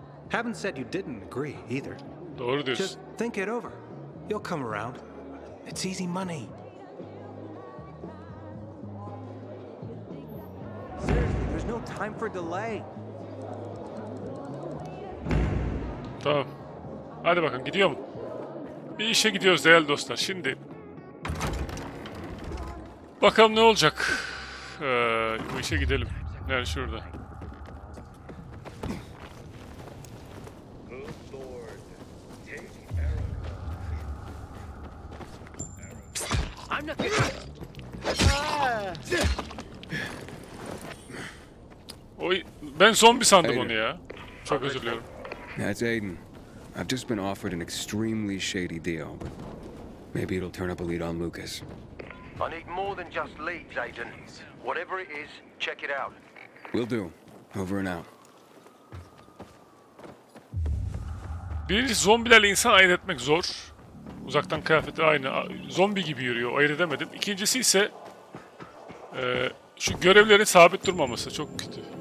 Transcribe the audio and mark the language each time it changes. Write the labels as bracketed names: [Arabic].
[English] Haven't said you didn't agree either. [Turkish] Doğru diyorsun. [English] Just think it over. You'll come around. It's easy money. Seriously, there's no time for delay. [Turkish] Tamam. Hadi bakalım, gidiyor mu? Bir işe gidiyoruz değerli dostlar. Şimdi bakalım ne olacak? Bu işe gidelim. Yani şurada. Oy, ben zombi sandım onu ya. Çok özür diliyorum. [English] That's Aiden. I've just been offered an extremely shady deal, but maybe it'll turn up a lead on Lucas. I need more than just leads, Aiden. Whatever it is, check it out. Will do. Over and out. [Turkish] Bir zombilerle insan ayırt etmek zor. Uzaktan kıyafeti aynı. Zombi gibi yürüyor. Ayırt edemedim. İkincisi ise şu görevlerin sabit durmaması çok kötü.